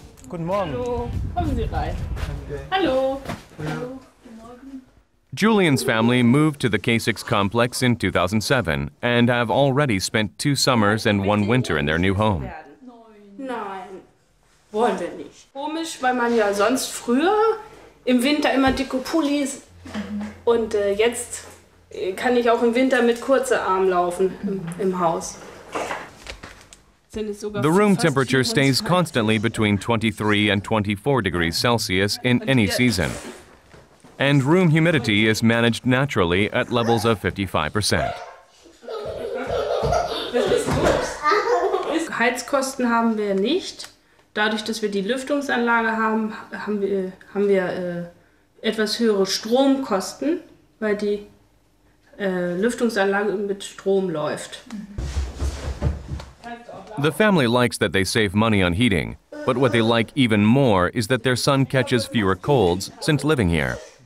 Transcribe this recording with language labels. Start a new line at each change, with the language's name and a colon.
German: Guten Morgen. Hallo. Kommen Sie rein. Hallo. Hallo.
English: Julian's family moved to the Kasich's complex in 2007 and have already spent 2 summers and 1 winter in their new home.
German: Nein, wollen wir nicht. Komisch, weil man ja sonst früher im Winter immer dicke Pullis und jetzt kann ich auch im Winter mit kurzer Arm laufen im Haus.
English: The room temperature stays constantly between 23 and 24 degrees Celsius in any season. And room humidity is managed naturally at levels of 55%.
German: Heizkosten haben wir nicht. Dadurch, dass wir die Lüftungsanlage haben, haben wir etwas höhere Stromkosten, weil die Lüftungsanlage mit Strom läuft.
English: The family likes that they save money on heating, but what they like even more is that their son catches fewer colds since living here.